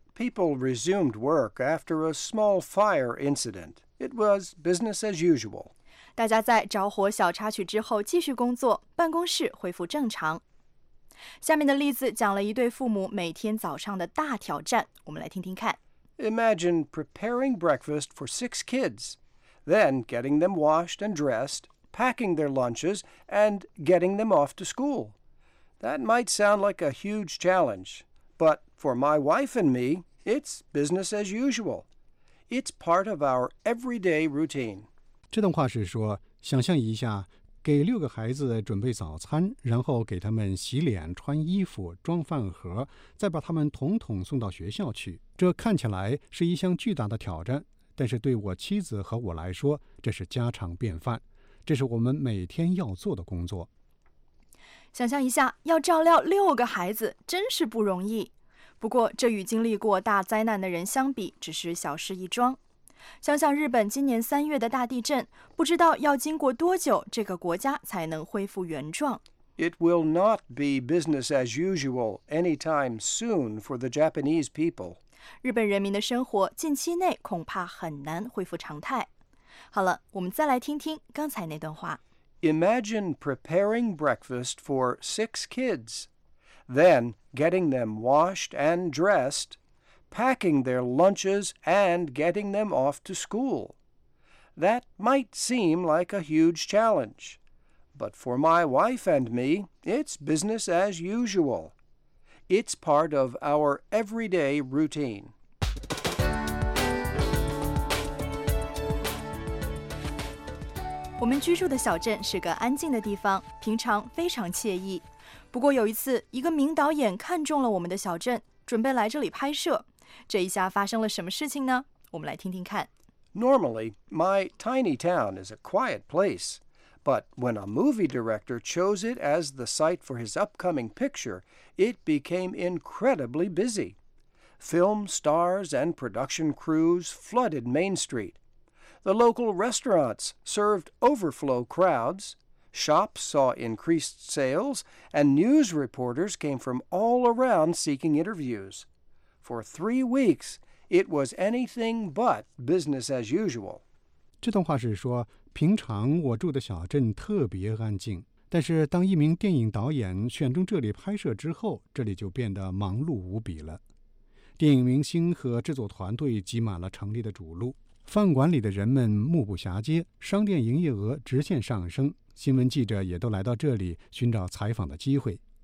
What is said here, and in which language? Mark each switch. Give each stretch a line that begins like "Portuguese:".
English: People resumed work after a small fire incident. It was business as usual.
Chinese: 大家在着火小插曲之后继续工作，办公室恢复正常。下面的例子讲了一对父母每天早上的大挑战，我们来听听看。
English: Imagine preparing breakfast for 6 kids, then getting them washed and dressed, packing their lunches, and getting them off to school. That might sound like a huge challenge, but for my wife and me, it's business as usual. It's part of our everyday routine.
Chinese: 这段话是说，想象一下，给六个孩子准备早餐，然后给他们洗脸、穿衣服、装饭盒，再把他们统统送到学校去。这看起来是一项巨大的挑战，但是对我妻子和我来说，这是家常便饭，这是我们每天要做的工作。想象一下，要照料六个孩子真是不容易，不过这与经历过大灾难的人相比只是小事一桩。想想日本今年3月的大地震，不知道要经过多久这个国家才能恢复原状。
English: It will not be business as usual anytime soon for the Japanese people.
Chinese: 日本人民的生活近期内恐怕很难恢复常态。好了，我们再来听听刚才那段话。
English: Imagine preparing breakfast for 6 kids, then getting them washed and dressed, packing their lunches and getting them off to school. That might seem like a huge challenge, but for my wife and me, it's business as usual. It's part of our everyday routine.
Chinese: 我们居住的小镇是个安静的地方，平常非常惬意。不过有一次，一个名导演看中了我们的小镇，准备来这里拍摄。这一下发生了什么事情呢？我们来听听看。
English: Normally, my tiny town is a quiet place, but when a movie director chose it as the site for his upcoming picture, it became incredibly busy. Film stars and production crews flooded Main Street. The local restaurants served overflow crowds, shops saw increased sales, and news reporters came from all around seeking interviews. For 3 weeks, it was anything but business as usual.
Chinese: 这段话是说，平常我住的小镇特别安静，但是当一名电影导演选中这里拍摄之后，这里就变得忙碌无比了。电影明星和制作团队挤满了城里的主路，饭馆里的人们目不暇接，商店营业额直线上升，新闻记者也都来到这里寻找采访的机会。